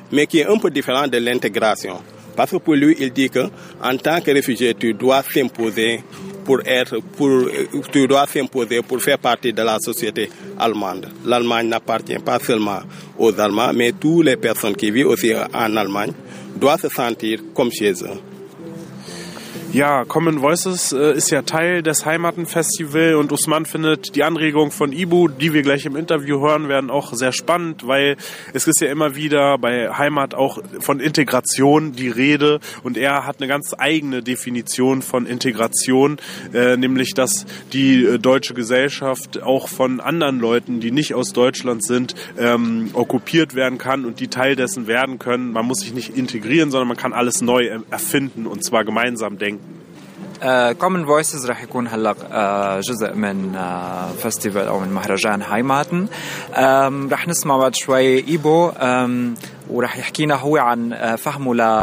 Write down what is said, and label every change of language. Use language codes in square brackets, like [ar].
[fr] Mais qui est un peu différent de l'intégration. Parce que pour lui, il dit que en tant que réfugié, tu dois s'imposer pour faire partie de la société allemande. L'Allemagne n'appartient pas seulement aux Allemands, mais toutes les personnes qui vivent aussi en Allemagne doivent se sentir comme chez eux. [de] Ja, Common Voices ist ja Teil des Heimatenfestivals und Usman findet die Anregung von Ibu, die wir gleich im Interview hören werden, auch sehr spannend, weil es ist ja immer wieder bei Heimat auch von Integration die Rede und er hat eine ganz eigene Definition von Integration, nämlich dass die deutsche Gesellschaft auch von anderen Leuten, die nicht aus Deutschland sind, okkupiert werden kann und die Teil dessen werden können. Man muss sich nicht integrieren, sondern man kann alles neu erfinden und zwar gemeinsam denken. [ar] Common Voices رح يكون هلق جزء من فستيفال أو من مهرجان هايماتن. رح نسمع بعد شوي إيبو ورح يحكينا هو عن فهمه